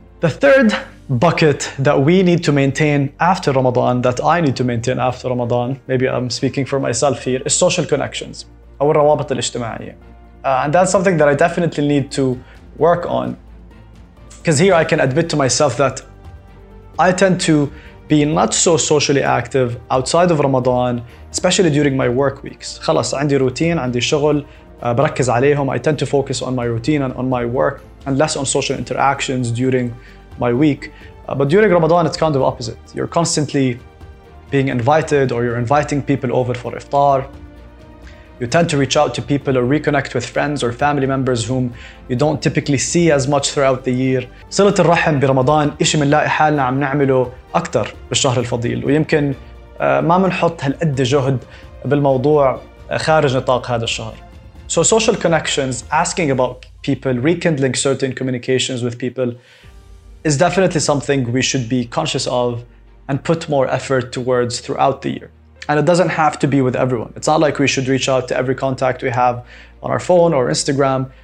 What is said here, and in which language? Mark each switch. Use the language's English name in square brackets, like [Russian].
[English] The third bucket that we need to maintain after Ramadan, that I need to maintain after Ramadan, maybe I'm speaking for myself here, is social connections. [Arabic] أو الروابط الاجتماعية. [English] And that's something that I definitely need to work on. Because here I can admit to myself that I tend to be not so socially active outside of Ramadan, especially during my work weeks. [Arabic] خلاص عندي روتين, عندي شغل, بركز عليهم. [English] I tend to focus on my routine and on my work and less on social interactions during my week. But during Ramadan, it's kind of opposite. You're constantly being invited or you're inviting people over for iftar. You tend to reach out to people or reconnect with friends or family members whom you don't typically see as much throughout the year. [Arabic] صلة الرحم برمضان إشي منلاقي حالنا عم نعمله أكتر بالشهر الفضيل ويمكن ما منحط هالقد جهد بالموضوع خارج نطاق هذا الشهر. [English] So social connections, asking about people, rekindling certain communications with people is definitely something we should be conscious of and put more effort towards throughout the year. And it doesn't have to be with everyone. It's not like we should reach out to every contact we have on our phone or Instagram.